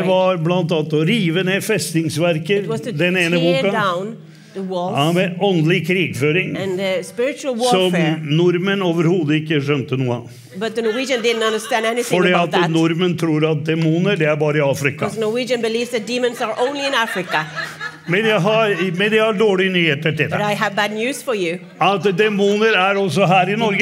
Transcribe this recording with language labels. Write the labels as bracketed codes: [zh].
[no] og det var blant annet å rive ned festningsverket den ene boka [en] The walls, [no] Amen, åndelig krigføring [en] and spiritual warfare, [no] som nordmenn overhovedet ikke skjønte noe av. [en] But the Norwegian didn't understand anything [no] Fordi [en] about that. [no] Fordi at nordmenn tror at demoner, det bare I Afrika. [en] Because Norwegian believes that demons are only in Africa. [no] Men jeg har dårlige nyheter til deg. [en] But I have bad news for you. [no] At demoner også her I Norge.